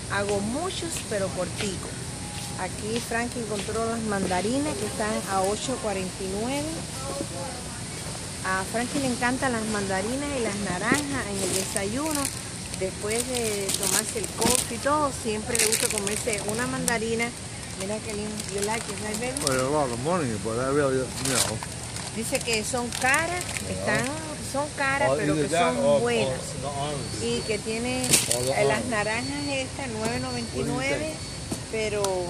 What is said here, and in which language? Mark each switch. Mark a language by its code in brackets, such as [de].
[es] Hago muchos, pero corticos. Aquí Frankie encontró las mandarinas, que están a $8.49. A Frankie le encantan las mandarinas y las naranjas en el desayuno. Después de tomarse el coffee y todo, siempre le gusta comerse una mandarina. Mira que lindo. [en] You like it, right, baby? Well, a lot of money, but I really, you know. [es] Dice que son caras, yeah. Son caras, pero que son buenas. Y que tiene las naranjas estas, $9.99, pero...